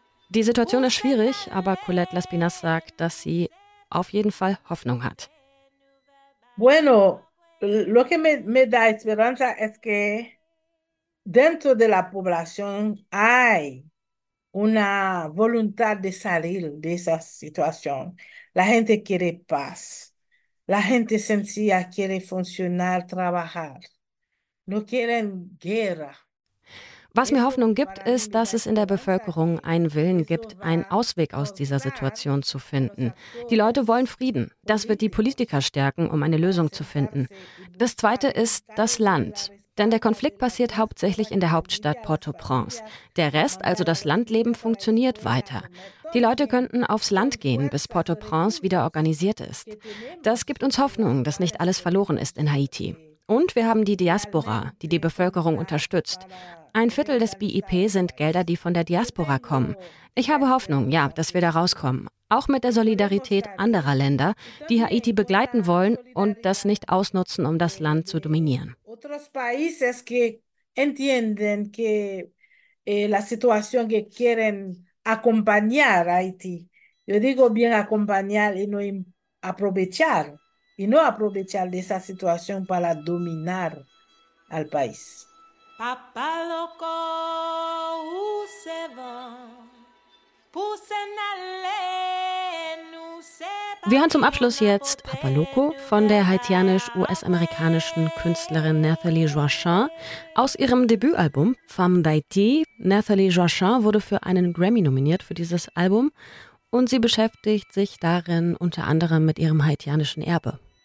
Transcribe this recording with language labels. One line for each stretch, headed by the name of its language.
German: Die Situation ist schwierig, aber Colette Laspinas sagt, dass sie auf jeden Fall Hoffnung hat.
Spanish: Bueno, lo que me da esperanza es que dentro de la población hay una voluntad de salir de esa situación. La gente quiere paz. La gente sencilla quiere funcionar, trabajar. No quieren guerra.
German: Was mir Hoffnung gibt, ist, dass es in der Bevölkerung einen Willen gibt, einen Ausweg aus dieser Situation zu finden. Die Leute wollen Frieden. Das wird die Politiker stärken, um eine Lösung zu finden. Das Zweite ist das Land. Denn der Konflikt passiert hauptsächlich in der Hauptstadt Port-au-Prince. Der Rest, also das Landleben, funktioniert weiter. Die Leute könnten aufs Land gehen, bis Port-au-Prince wieder organisiert ist. Das gibt uns Hoffnung, dass nicht alles verloren ist in Haiti. Und wir haben die Diaspora, die die Bevölkerung unterstützt. Ein Viertel des BIP sind Gelder, die von der Diaspora kommen. Ich habe Hoffnung, ja, dass wir da rauskommen. Auch mit der Solidarität anderer Länder, die Haiti begleiten wollen und das nicht ausnutzen, um das Land zu dominieren.
Spanish: Otros países que entienden que la situación que quieren acompañar a Haití. Yo digo bien acompañar y no aprovechar. Y no aprovechar de esa situación para dominar al país. Papa loco, où se va? Pousse n'allez, nous c'est.
German: Wir hören zum Abschluss jetzt Papa Loco von der haitianisch-US-amerikanischen Künstlerin Nathalie Joachim aus ihrem Debütalbum Femme d'Haïti. Nathalie Joachim wurde für einen Grammy nominiert für dieses Album und sie beschäftigt sich darin unter anderem mit ihrem haitianischen Erbe.